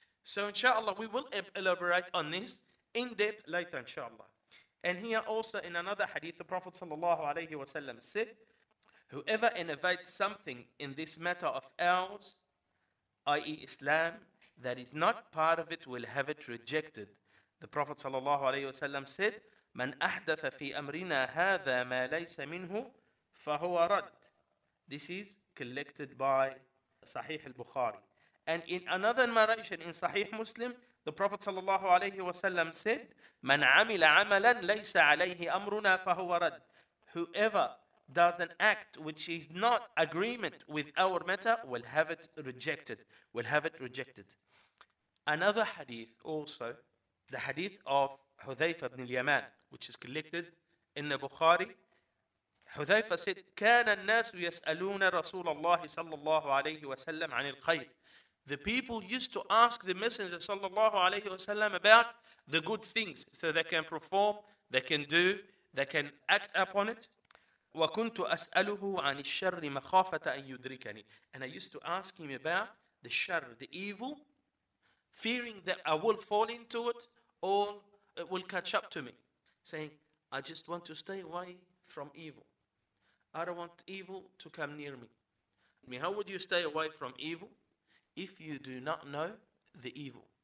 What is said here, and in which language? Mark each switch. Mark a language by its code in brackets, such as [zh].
[en] So inshallah, we will elaborate on this in depth later, inshallah. And here also in another hadith, the Prophet sallallahu alayhi wa sallam said, whoever innovates something in this matter of ours, i.e. Islam, that is not part of it, will have it rejected. The Prophet sallallahu alayhi wa sallam said, [ar] مَنْ أَحْدَثَ فِي أَمْرِنَا هَذَا مَا لَيْسَ مِنْهُ فَهُوَ رَدْ. [en] This is collected by Sahih al-Bukhari. And in another narration in Sahih Muslim, the Prophet sallallahu alayhi wa sallam said, [ar] مَنْ عَمِلَ عَمَلًا لَيْسَ عَلَيْهِ أَمْرُنَا فَهُوَ رَدْ. [en] Whoever does an act which is not agreement with our matter will have it rejected. Will have it rejected. Another hadith also, the hadith of Hudhayfa ibn al-Yaman, which is collected in the Bukhari. Hudhayfa said, [ar] كَانَ النَّاسُ يَسْأَلُونَ رَسُولَ اللَّهِ صَلَّى اللَّهُ عَلَيْهِ وَسَلَّمْ عَنِ الْخَيْرِ. [en] The people used to ask the Messenger sallallahu alayhi wa sallam about the good things so they can perform, they can do, they can act upon it. [ar] وَكُنْتُ أَسْأَلُهُ عَنِ الشَّرِّ مَخَافَةَ أَن يُدْرِكَنِي. [en] And I used to ask him about the shar, the evil, fearing that I will fall into it or it will catch up to me. Saying, I just want to stay away from evil. I don't want evil to come near me. I mean, how would you stay away from evil? If you do not know the evil.